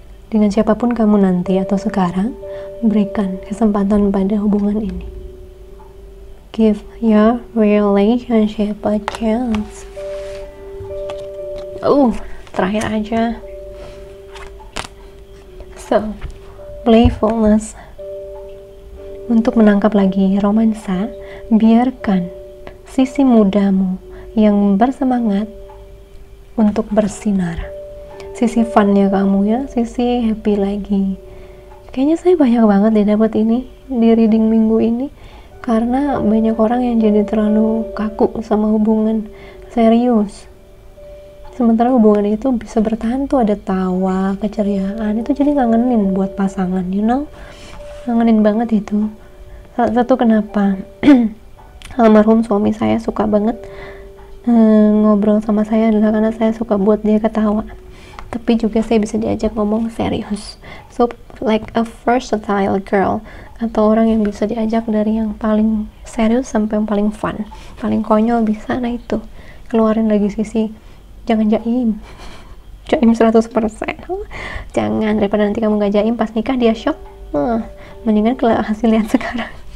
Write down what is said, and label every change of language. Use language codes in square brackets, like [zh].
[id] Dengan siapapun kamu nanti atau sekarang, berikan kesempatan pada hubungan ini. [en] Give your relationship a chance. [id] Terakhir aja. [en] So, playfulness. [id] Untuk menangkap lagi romansa, biarkan sisi mudamu yang bersemangat untuk bersinar. Sisi funnya kamu ya, sisi happy lagi. Kayaknya saya banyak banget deh dapat ini di reading minggu ini. Karena banyak orang yang jadi terlalu kaku sama hubungan serius. Sementara hubungan itu bisa bertahan tuh ada tawa, keceriaan, itu jadi ngangenin buat pasangan, [en] you know? [id] Ngangenin banget itu. Satu kenapa almarhum suami saya suka banget ngobrol sama saya adalah karena saya suka buat dia ketawa. Tapi juga saya bisa diajak ngomong serius. [en] So, like a versatile girl. [id] Atau orang yang bisa diajak dari yang paling serius sampai yang paling fun. Paling konyol bisa, nah itu. Keluarin lagi sisi, jangan jaim. Jaim 100%. Jangan, daripada nanti kamu gak jaim, pas nikah dia shock. Mendingan hasil lihat sekarang.